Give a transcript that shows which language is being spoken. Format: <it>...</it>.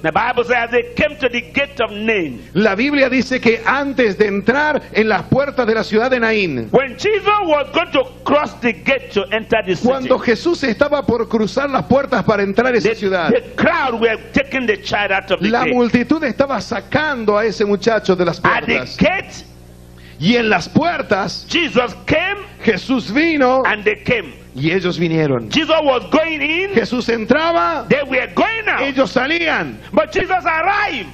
<en>The Bible says they came to the gate of Nain.</en> <es>La Biblia dice que antes de entrar en las puertas de la ciudad de Nain,</es> <en>when Jesus was going to cross the gate to enter the city,</en> <es>cuando Jesús estaba por cruzar las puertas para entrar a esa ciudad,</es> <en>the crowd were taking the child out of the gate.</en> <es>La multitud estaba sacando a ese muchacho de las puertas.</es> <en>At the gate,</en> <es>y en las puertas,</es> <en>Jesus came,</en> <es>Jesús vino,</es> <en>and they came.</en> <es>Y ellos vinieron.</es> <en>Jesus was going in,</en> <es>Jesús entraba.</es> <en>They were going out,</en> <es>ellos salían.</es> <en>But Jesus arrived,</en>